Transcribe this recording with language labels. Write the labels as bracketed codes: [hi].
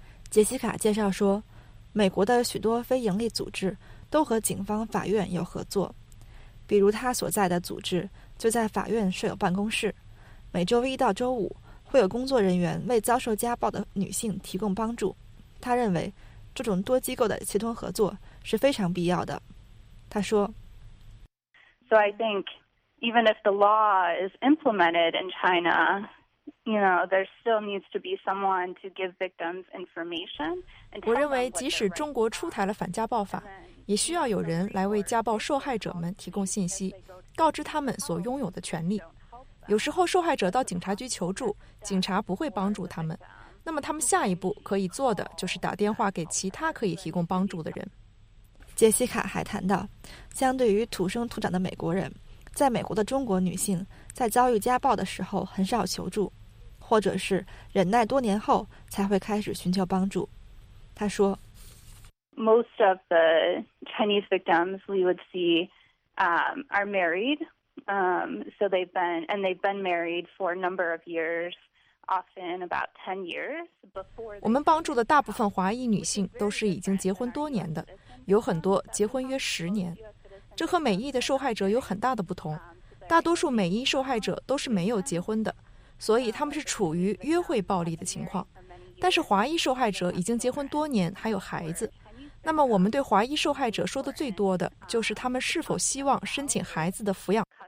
[zh] 杰西卡介绍说，美国的许多非营利组织都和警方、法院有合作，比如他所在的组织就在法院设有办公室，每周一到周五会有工作人员为遭受家暴的女性提供帮助。他认为这种多机构的协同合作是非常必要的。他说 [en] So I think even if the law is implemented in China, you know, there still needs to be someone to give victims information. [zh] 我认为即使中国出台了反家暴法，也需要有人来为家暴受害者们提供信息，告知他们所拥有的权利。有时候受害者到警察局求助，警察不会帮助他们，那么他们下一步可以做的就是打电话给其他可以提供帮助的人。杰西卡还谈到，相对于土生土长的美国人，在美国的中国女性在遭遇家暴的时候很少求助，或者是忍耐多年后才会开始寻求帮助。她说 [en] Most of the Chinese victims we would see are married, so they've been married for a number of years, often about 10 years before. [zh] 我们帮助的大部分华裔女性都是已经结婚多年的，有很多结婚约十年。这和美裔的受害者有很大的不同，大多数美裔受害者都是没有结婚的，所以他们是处于约会暴力的情况。但是华裔受害者已经结婚多年，还有孩子。那么我们对华裔受害者说的最多的就是他们是否希望申请孩子的抚养。